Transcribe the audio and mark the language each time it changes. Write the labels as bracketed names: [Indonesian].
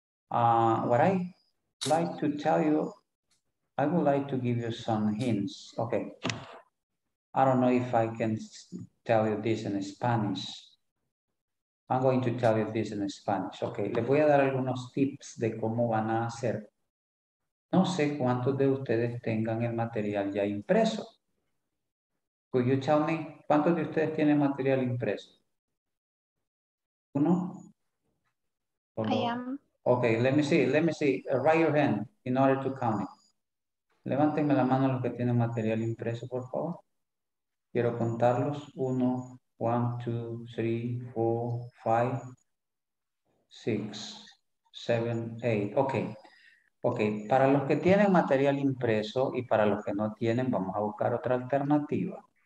[English] What I like to tell you, I would like to give you some hints. Okay. I don't know if I can tell you this in Spanish. I'm going to tell you this in Spanish. Okay. [Spanish] Les voy a dar algunos tips de cómo van a hacer. No sé cuántos de ustedes tengan el material ya impreso. [English] Could you tell me [Spanish] cuántos de ustedes tienen material impreso? Uno. [English] I am. Okay, let me see. Raise your hand in order to count it. [Spanish] Levántenme la mano los que tienen material impreso, por favor. Quiero contarlos. Uno, 1, 2, 3, 4, 5, 6, 7, 8. Okay. Okay, para los que tienen material impreso y para los que no tienen, vamos a buscar otra alternativa.